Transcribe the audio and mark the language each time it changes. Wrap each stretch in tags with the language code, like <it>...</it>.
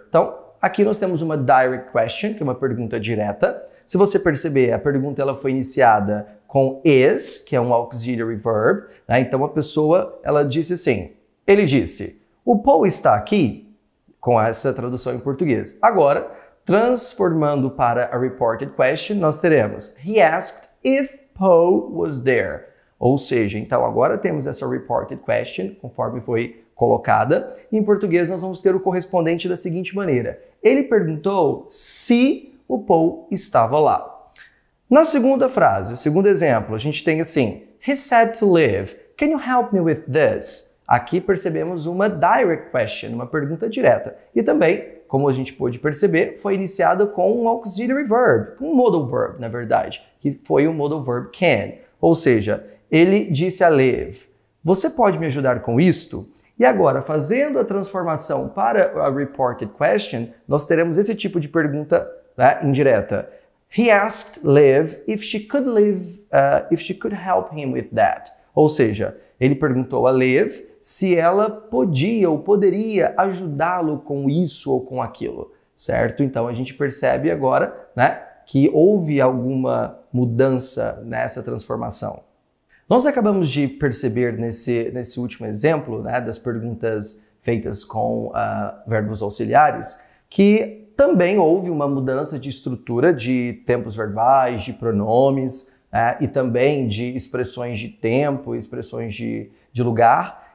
<pt>Então, aqui nós temos uma direct question, que é uma pergunta direta. Se você perceber, a pergunta ela foi iniciada com is, que é um auxiliary verb, né? Então a pessoa, ela disse assim, ele disse, o Paul está aqui? Com essa tradução em português. Agora, transformando para a reported question, nós teremos,</pt> <en>he asked if Paul was there.</en> <pt>Ou seja, então agora temos essa reported question, conforme foi colocada. Em português, nós vamos ter o correspondente da seguinte maneira. Ele perguntou se o Paul estava lá. Na segunda frase, o segundo exemplo, a gente tem assim,</pt> <en>he said to leave, can you help me with this?</en> <pt>Aqui percebemos uma direct question, uma pergunta direta. E também, como a gente pôde perceber, foi iniciada com um auxiliary verb, um modal verb, na verdade, que foi o modal verb can. Ou seja, ele disse a leave, você pode me ajudar com isto? E agora, fazendo a transformação para a reported question, nós teremos esse tipo de pergunta, né, indireta.</pt> <en>He asked Liv if she could help him with that.</en> <pt>Ou seja, ele perguntou a Liv se ela podia ou poderia ajudá-lo com isso ou com aquilo, certo? Então a gente percebe agora, né, que houve alguma mudança nessa transformação. Nós acabamos de perceber nesse último exemplo, né, das perguntas feitas com verbos auxiliares, que também houve uma mudança de estrutura de tempos verbais, de pronomes, né, e também de expressões de tempo, expressões de lugar.</pt>